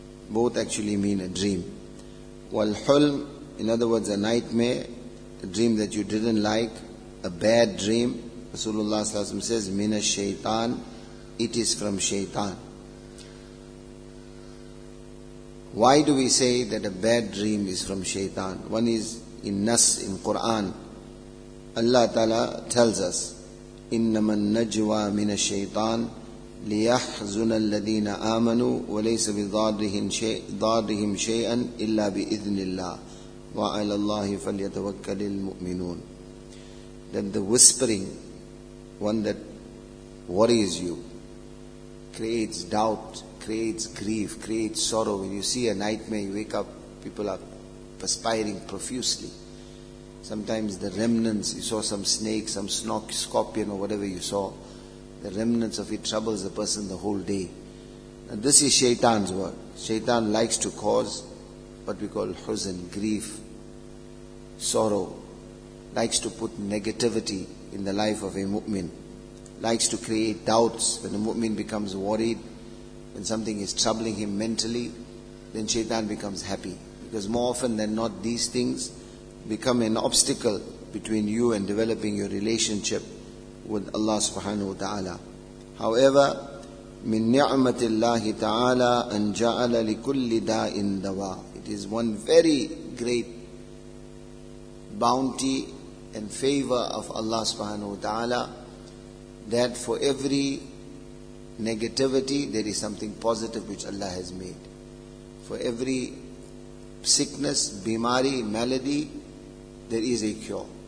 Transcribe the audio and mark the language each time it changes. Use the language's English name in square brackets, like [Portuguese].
[English] Both actually mean a dream. Wal hulm, in other words, a nightmare, a dream that you didn't like, a bad dream, Rasulullah says, min ash-shaytan, it is from shaytan. Why do we say that a bad dream is from shaytan? One is in Nas, in Quran, Allah Ta'ala tells us, [Arabic] إِنَّمَا النَّجْوَى مِنَ الشَّيْطَانِ لِيَحْزُنَ الَّذِينَ آمَنُوا وَلَيْسَ بِضَارِّهِمْ شَيْئًا إِلَّا بِإِذْنِ اللَّهِ وَعَلَى اللَّهِ فَلْيَتَوَكَّلِ الْمُؤْمِنُونَ. [English] That the whispering, one that worries you, creates doubt, creates grief, creates sorrow. When you see a nightmare, you wake up, people are perspiring profusely. Sometimes the remnants, you saw some snake, some scorpion or whatever you saw, the remnants of it troubles the person the whole day. And this is shaitan's work. Shaitan likes to cause what we call huzn, grief, sorrow, likes to put negativity in the life of a mu'min, likes to create doubts. When a mu'min becomes worried, when something is troubling him mentally, then shaitan becomes happy. Because more often than not, these things become an obstacle between you and developing your relationship with Allah subhanahu wa ta'ala. [Arabic] However, مِن نِعْمَةِ اللَّهِ تَعَالَىٰ أَن جَعَلَ لِكُلِّ دَاءٍ دَوَىٰ. [English] It is one very great bounty and favor of Allah subhanahu wa ta'ala that for every negativity there is something positive which Allah has made. For every sickness, bimari, malady, there is a cure.